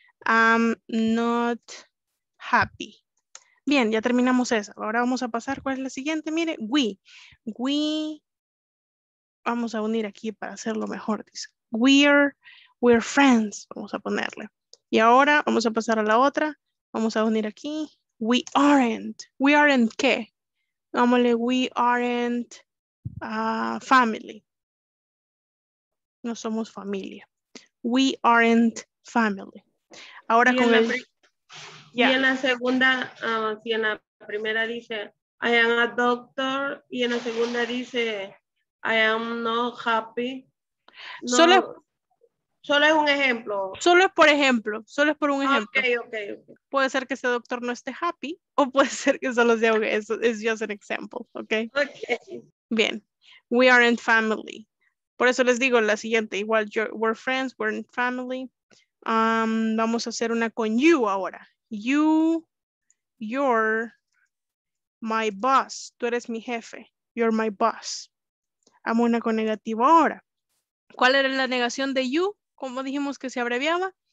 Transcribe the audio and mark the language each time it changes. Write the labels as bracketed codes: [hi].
[en] I'm not happy. [es] Bien, ya terminamos esa. Ahora vamos a pasar. ¿Cuál es la siguiente? Mire, we. We. Vamos a unir aquí para hacerlo mejor. Dice. [en] We're friends. [es] Vamos a ponerle. Y ahora vamos a pasar a la otra. Vamos a unir aquí. [en] We aren't. ¿We aren't [es] qué? [en] Vámonle, we aren't family. [es] No somos familia. [en] We aren't family. [es] Ahora con el... Yeah. Y en la segunda, si en la primera dice, [en] I am a doctor, [es] y en la segunda dice, [en] I am not happy. [es] No. Solo es un ejemplo. Solo es por un ejemplo. [en] Okay, okay, okay. [es] Puede ser que ese doctor no esté happy, o puede ser que solo sea un ejemplo. [en] It's just an example, okay? Okay. Bien. We aren't family. [es] Por eso les digo la siguiente. [en] Igual, we're friends, we're in family. Vamos a hacer una con you ahora. You're my boss. [es] Tú eres mi jefe. [en] You're my boss. [es] Hago una con negativo ahora. ¿Cuál era la negación de you? ¿Cómo dijimos que se abreviaba?